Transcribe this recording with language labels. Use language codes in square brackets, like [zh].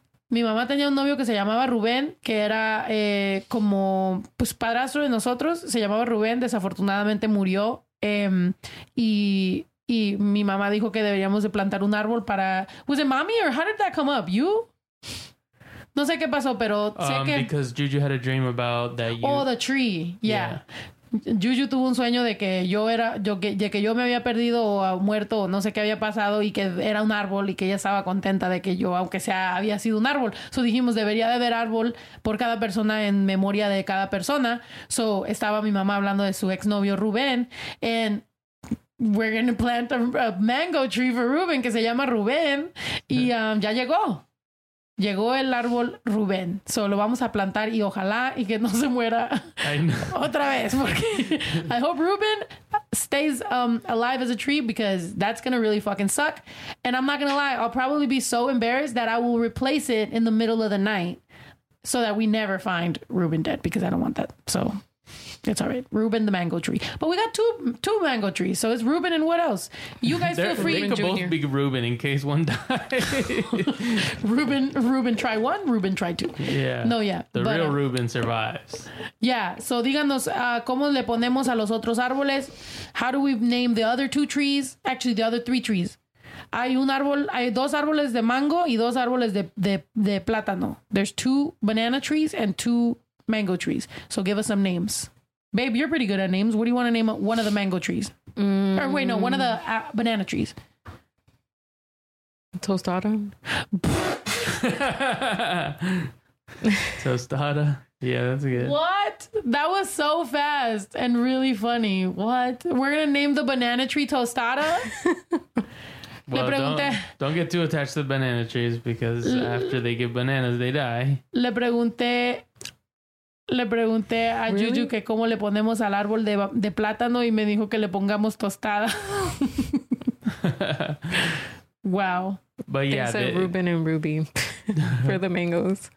[es] Mi mamá tenía un novio que se llamaba Rubén, que era como pues padrastro de nosotros. Se llamaba Rubén, desafortunadamente murió. Y mi mamá dijo que deberíamos de plantar un árbol para... [en] Was it mommy or how did that come up? You? [es] No sé qué pasó, pero sé que... [en] Because Juju had a dream about that you... Oh, the tree. Yeah. [es] Juju tuvo un sueño de que yo era... De que yo me había perdido o muerto o no sé qué había pasado, y que era un árbol, y que ella estaba contenta de que yo, aunque sea, había sido un árbol. So dijimos, debería de haber árbol por cada persona en memoria de cada persona. So estaba mi mamá hablando de su exnovio Rubén, [en] and we're going to plant a mango tree for [es] Rubén, que se llama Rubén, y ya llegó. Llegó el árbol Rubén. So lo vamos a plantar, y ojalá y que no se muera otra vez. Porque [en] I hope Rubén stays alive as a tree, because that's going to really fucking suck. And I'm not going to lie, I'll probably be so embarrassed that I will replace it in the middle of the night so that we never find Rubén dead, because I don't want that. So it's all right. Rubén the mango tree. But we got two mango trees. So it's Rubén and what else? You guys feel free. They could both be Rubén in case one dies. Rubén try one, Rubén try two. Yeah. No, yeah. But real Rubén survives. Yeah. [es] So díganos, ¿cómo le ponemos a los otros árboles? [en] How do we name the other two trees? Actually, the other three trees. [es] Hay dos árboles de mango y dos árboles de plátano. [en] There's two banana trees and two mango trees. So give us some names. Babe, you're pretty good at names. What do you want to name one of the mango trees? One of the banana trees. Tostada. Tostada. Yeah, that's good. What? That was so fast and really funny. What? We're going to name the banana tree Tostada? Well, don't get too attached to the banana trees, because after they give bananas, they die. [es] Le pregunté a [en] really? [es] Juju que cómo le ponemos al árbol de plátano, y me dijo que le pongamos Tostada. [en] Wow. But yeah, they said Ruben and Ruby for the mangoes.